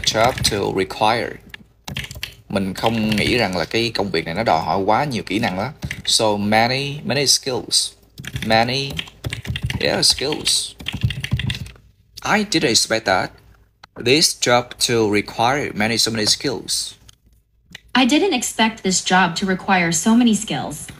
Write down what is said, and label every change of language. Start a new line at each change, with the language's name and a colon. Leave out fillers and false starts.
English: I didn't expect this job to require so many skills.
Vietnamese: Mình không nghĩ rằng là cái công việc này nó đòi hỏi quá nhiều kỹ năng đó.
English: So many skills. I didn't expect that this job to require so many skills. I didn't expect this job to require so many skills.